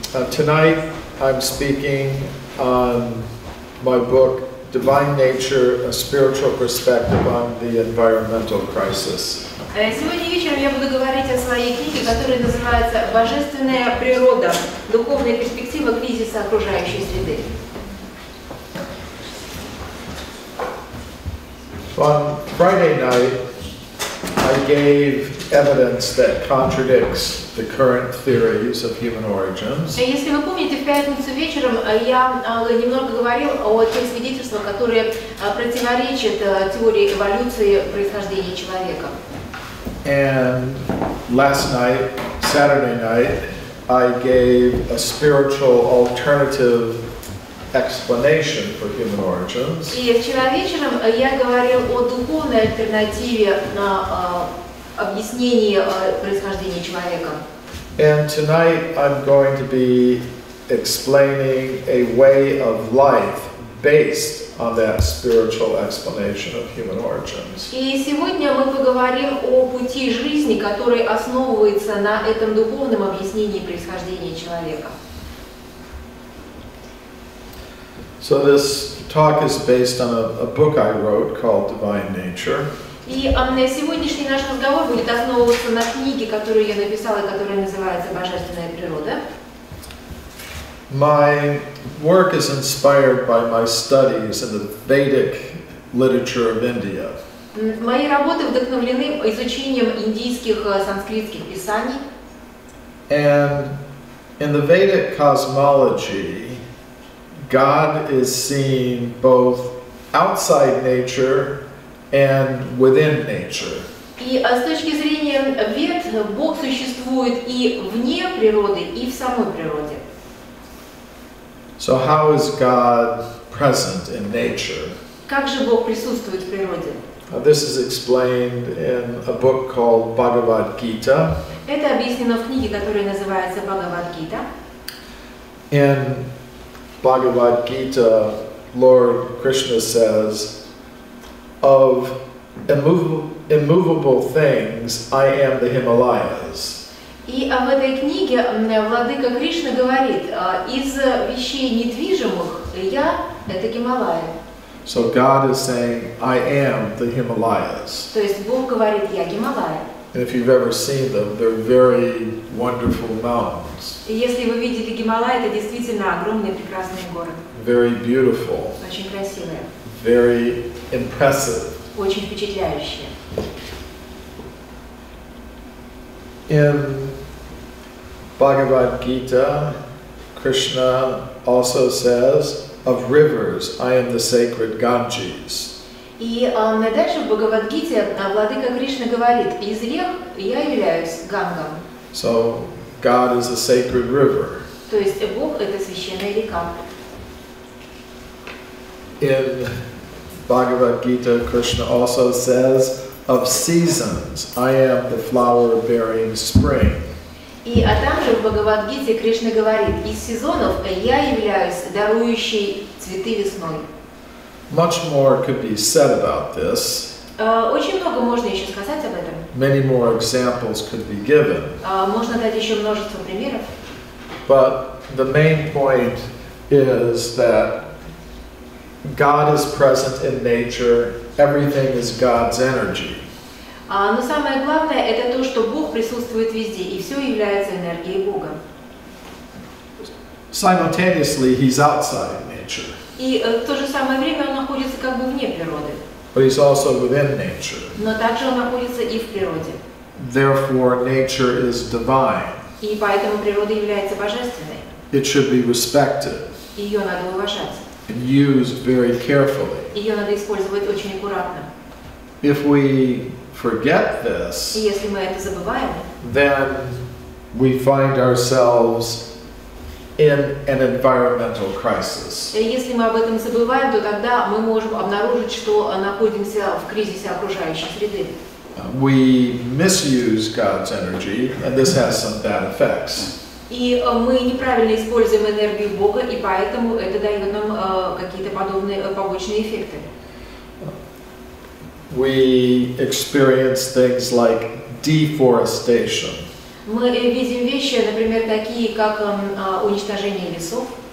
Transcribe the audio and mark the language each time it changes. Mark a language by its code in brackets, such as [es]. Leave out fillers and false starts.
[en] Tonight I'm speaking on my book Divine Nature: A Spiritual Perspective on the Environmental Crisis. [ru] Сегодня вечером я буду говорить о своей книге, которая называется Божественная природа: Духовная перспектива кризиса окружающей среды. [en] On Friday night, I gave evidence that contradicts the current theories of human origins. [ru] Если вы помните, в пятницу вечером я немного говорил о тех свидетельствах, которые противоречат теории эволюции происхождения человека. [en] And last night, Saturday night, I gave a spiritual alternative explanation for human origins. [ru] И вчера вечером я говорил о духовной альтернативе на объяснение происхождения человека. [en] And tonight I'm going to be explaining a way of life based on that spiritual explanation of human origins. [ru] И сегодня мы поговорим о пути жизни, который основывается на этом духовном объяснении происхождения человека. [en] So this talk is based on a book I wrote called Divine Nature. [ru] И сегодняшний наш разговор будет основываться на книге, которую я написала, которая называется «Божественная природа». [en] My work is inspired by my studies in the Vedic literature of India. [ru] Мои работы вдохновлены изучением индийских санскритских писаний. [en] And in the Vedic cosmology, God is seen both outside nature and within nature. [ru] И с точки зрения вед, Бог существует и вне природы, и в самой природе. [en] So how is God present in nature? [ru] Как же Бог присутствует в природе? [en] This is explained in a book called Bhagavad Gita. [ru] Это объяснено в книге, которая называется Bhagavad Gita. [en] And Bhagavad Gita, Lord Krishna says, of immovable things, I am the Himalayas. [ru] И в этой книге Владыка Кришна говорит, из вещей недвижимых я — это Гималая. [en] So God is saying, I am the Himalayas. [ru] То есть Бог говорит, я Гималая. [en] And if you've ever seen them, they're very wonderful mountains. [ru] Если вы видели Гималаи, это действительно огромные прекрасные горы. [en] Very beautiful. [ru] Очень красивые. [en] Very impressive. [ru] Очень впечатляющие. [en] In Bhagavad Gita, Krishna also says, "Of rivers, I am the sacred Ganges." [ru] И дальше в Бхагавад-гите Владыка Кришна говорит, из рек я являюсь Гангом. [en] So, God is a sacred river. [ru] То есть Бог — это священная река. [en] In Bhagavad-gita, Krishna also says, of seasons, I am the flower-bearing spring. [ru] И также в Бхагавад-гите Кришна говорит, из сезонов я являюсь дарующей цветы весной. [en] Much more could be said about this. [ru] Очень много можно еще сказать об этом. [en] Many more examples could be given. [ru] Можно дать еще множество примеров. [en] But the main point is that God is present in nature. Everything is God's energy. [ru] Но самое главное это то, что Бог присутствует везде и все является энергией Бога. [en] Simultaneously, He's outside nature. [ru] И в то же самое время он находится как бы вне природы. [en] But he's also within nature. [ru] Но также он находится и в природе. [en] Therefore, nature is divine. [ru] И поэтому природа является божественной. [en] It should be respected. [ru] Ее надо уважать. [en] And used very carefully. [ru] Ее надо использовать очень аккуратно. [en] If we forget this, [ru] и если мы это забываем, [en] then we find ourselves in an environmental crisis. [ru] Если мы об этом забываем, то тогда мы можем обнаружить, что находимся в кризисе окружающей среды. [en] We misuse God's energy, and this has some bad effects. [ru] И мы неправильно используем энергию Бога, и поэтому это дает нам какие-то подобные побочные эффекты. [en] We experience things like deforestation. [ru] Мы видим вещи, например, такие как уничтожение лесов.